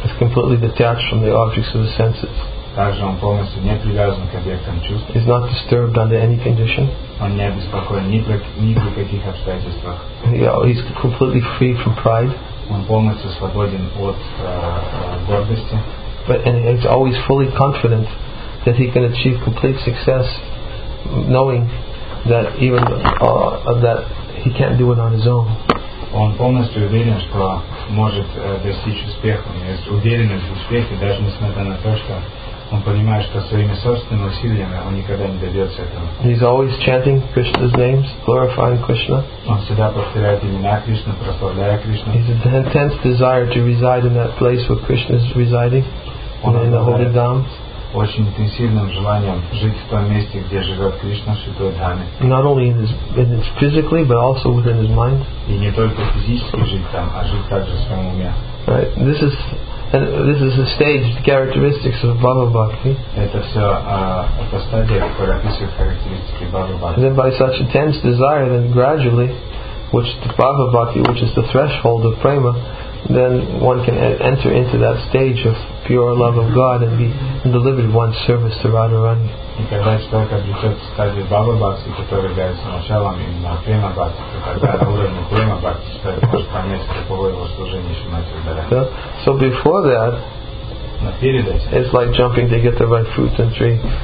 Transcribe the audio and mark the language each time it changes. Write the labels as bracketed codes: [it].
[en] It's completely detached from the objects of the senses. [ru] Также он полностью не привязан к объектам чувств. [en] He's not disturbed under any condition. [ru] Он не обеспокоен ни при каких обстоятельствах. [en] He's completely free from pride. [ru] Он полностью свободен от гордости. [en] But and he's always fully confident that he can achieve complete success, knowing that even that he can't do it on his own. [ru] Он полностью уверен, что может достичь успеха. Есть уверенность в успехе, даже несмотря на то, что он понимает, что своими собственными усилиями он никогда не добьется этого. [en] He's always chanting Krishna's names, glorifying Krishna. [ru] Он всегда повторяет имена Кришны, прославляя Кришну. [en] He's an intense desire to reside in that place where Krishna is residing, in the holy dham. [ru] Очень интенсивным желанием жить в том месте, где живет Кришна, в святой дхаме. [en] Not only in his physically, but also within his mind. [ru] И не только физически жить там, а жить также в своем уме. [en] Right. This is the stage, the characteristics of Bhava Bhakti. Then by such intense desire, then gradually, which the Bhava Bhakti, which is the threshold of prema, then one can enter into that stage of pure love of God and be delivered one's service to Radharani. [ru] И когда человек обретет стадию Бхава Бхакти, которая является началом именно према бхакти, тогда на уровне према бхакти человек может понять, каково его служение Шримати Радхарани. [en] So before that, it's like jumping to get the right fruits and tree.